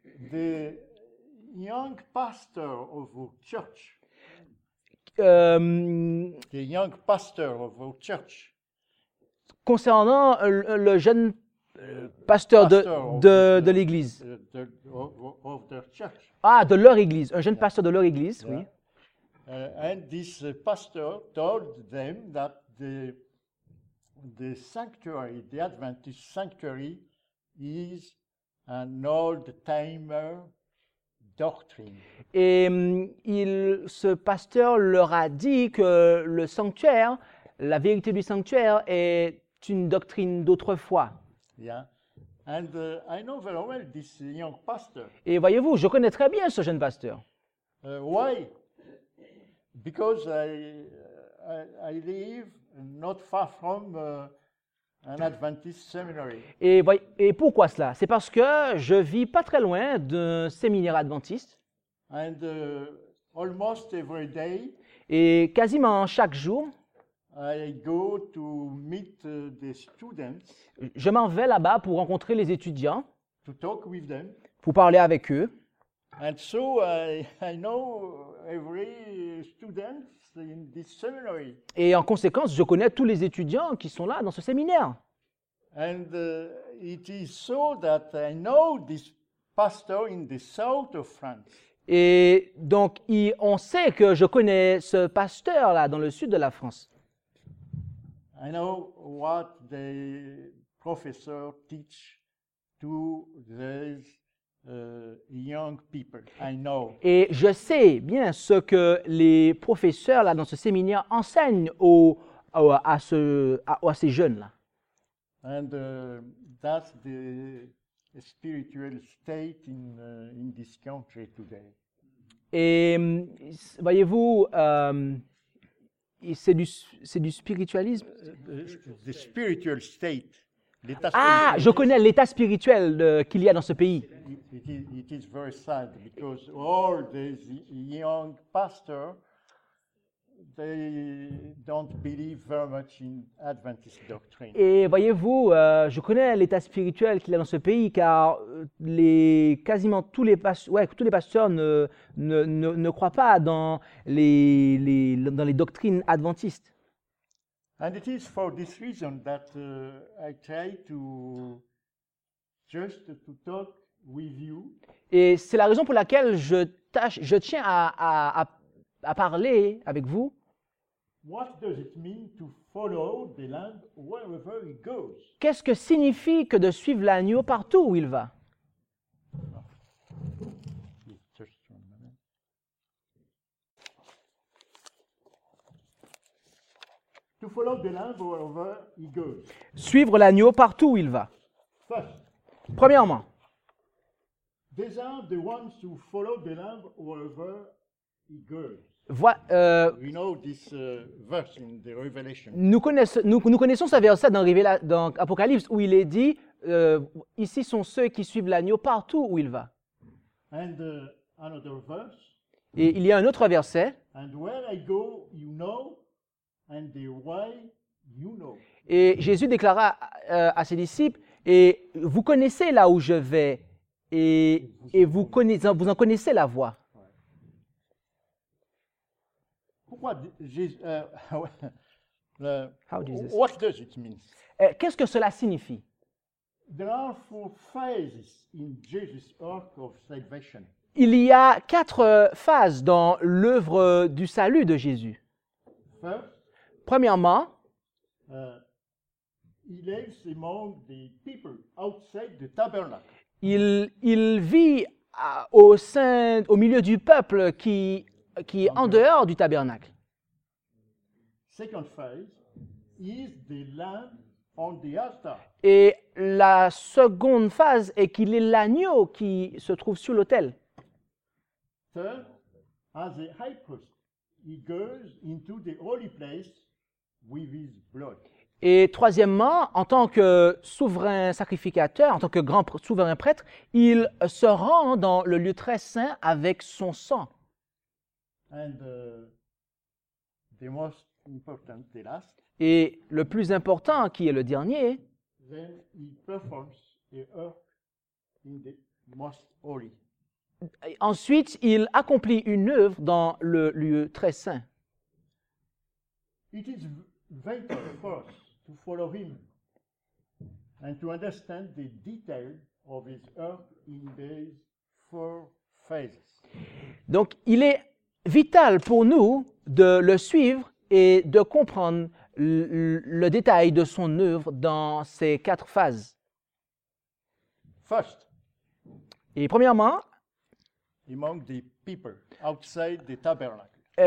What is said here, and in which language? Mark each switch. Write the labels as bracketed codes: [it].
[en] The young pastor of our church. The young pastor of our church. [fr] Concernant le jeune pasteur de l'église. De leur église, un jeune pasteur de leur église, oui. [en] And this pastor told them that the sanctuary, the Adventist sanctuary, is an old timer. Doctrine. [fr] Et ce pasteur leur a dit que le sanctuaire, la vérité du sanctuaire, est une doctrine d'autrefois. [en] Yeah. And I know very well this young pastor. [fr] Et voyez-vous, je connais très bien ce jeune pasteur. [en] Why? Because I live not far from an Adventist seminary. [fr] Et pourquoi cela? C'est parce que je vis pas très loin d'un séminaire adventiste. [en] And almost every day. [fr] Et quasiment chaque jour. [en] I go to meet the students. [fr] Je m'en vais là-bas pour rencontrer les étudiants. [en] To talk with them. [fr] Pour parler avec eux. [en] And so I know every student. In this seminary. [fr] Et en conséquence, je connais tous les étudiants qui sont là dans ce séminaire. [en] And it is so that I know this pastor in the south of France. [fr] Et donc, on sait que je connais ce pasteur là dans le sud de la France. [en] I know what the professor teach to these. Young people, I know. [fr] Et je sais bien ce que les professeurs là dans ce séminaire enseignent à ces jeunes là. [en] And that's the spiritual state in this country today. [fr] Et voyez-vous, c'est du spiritualisme. [en] The spiritual state. [fr] Je connais l'état spirituel qu'il y a dans ce pays. [en] It is very sad because all these young pastors, they don't believe very much in Adventist doctrine. [fr] Et voyez-vous, je connais l'état spirituel qu'il y a dans ce pays, car quasiment tous les pasteurs ne croient pas dans les doctrines adventistes. [en] And it is for this reason that I try to just to talk with you. [fr] Et c'est la raison pour laquelle je tiens à parler avec vous. [en] What does it mean to follow the lamb wherever he goes? [fr] Qu'est-ce que signifie que de suivre l'agneau partout où il va? [en] To follow the lamb wherever he goes. [fr] Suivre l'agneau partout où il va. [en] First, [fr] Premièrement, [en] these are the ones who follow the lamb wherever he goes. We know this, verse in the Revelation. [fr] Nous connaissons ce verset dans Apocalypse où il est dit ici sont ceux qui suivent l'agneau partout où il va. [en] And, another verse. [fr] Et il y a un autre verset. [en] And where I go, you know. And the way you know. [fr] Et Jésus déclara à ses disciples, et vous connaissez là où je vais, et vous en connaissez la voie. Pourquoi [en] How does this? What does it mean? [fr] Qu'est-ce que cela signifie? [en] There are four phases in Jesus' arc of salvation. [fr] Il y a quatre phases dans l'œuvre du salut de Jésus. [en] First, [fr] Premièrement, [en] he lives among the people outside the tabernacle. [fr] Il vit au milieu du peuple qui est en dehors du tabernacle. [en] Second phase, he is the lamb on the altar. [fr] Et la seconde phase est qu'il est l'agneau qui se trouve sur l'autel. [en] Third, as a high priest, he goes into the holy place. With his blood. [fr] Et troisièmement, en tant que souverain sacrificateur, en tant que grand souverain prêtre, il se rend dans le lieu très saint avec son sang. [en] And, the most important, the last. [fr] Et le plus important, qui est le dernier, [en] then he performs the earth in the most holy. [fr] Ensuite, il accomplit une œuvre dans le lieu très saint. [en] It is vital for us to follow him and to understand the detail of his earth in these four phases. [fr] Donc, il est vital pour nous de le suivre et de comprendre le détail de son œuvre dans ces quatre phases. [en] First, [fr] et premièrement, [en] among the people outside the tabernacle.